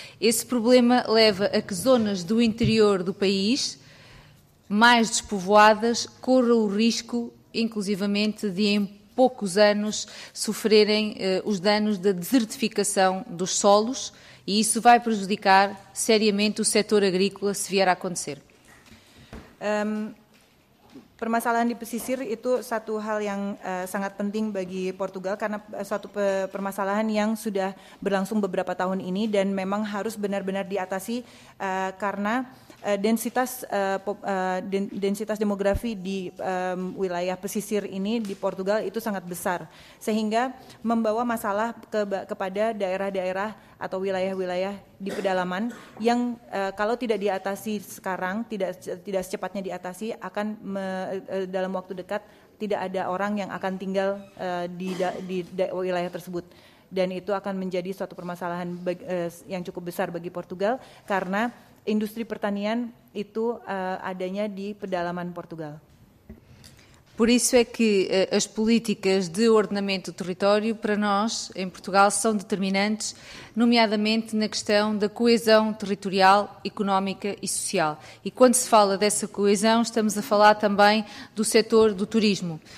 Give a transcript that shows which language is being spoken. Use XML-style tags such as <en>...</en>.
<pt>Esse problema leva a que zonas do interior do país, mais despovoadas, corram o risco, inclusivamente, de em poucos anos sofrerem os danos da desertificação dos solos. E isso vai prejudicar seriamente o setor agrícola, se vier a acontecer.</pt> <id>Permasalahan di pesisir itu satu hal yang sangat penting bagi Portugal, karena suatu permasalahan yang sudah berlangsung beberapa tahun ini dan memang harus benar-benar diatasi, karena densitas demografi di wilayah pesisir ini di Portugal itu sangat besar, sehingga membawa masalah kepada daerah-daerah atau wilayah-wilayah di pedalaman yang kalau tidak diatasi sekarang, tidak secepatnya diatasi, akan dalam waktu dekat tidak ada orang yang akan tinggal di wilayah tersebut. Dan itu akan menjadi suatu permasalahan yang cukup besar bagi Portugal, karena industri pertanian itu adanya di pedalaman Portugal.</id> <pt>Por isso é que as políticas de ordenamento do território, para nós, em Portugal, são determinantes, nomeadamente na questão da coesão territorial, económica e social. E quando se fala dessa coesão, estamos a falar também do setor do turismo.</pt>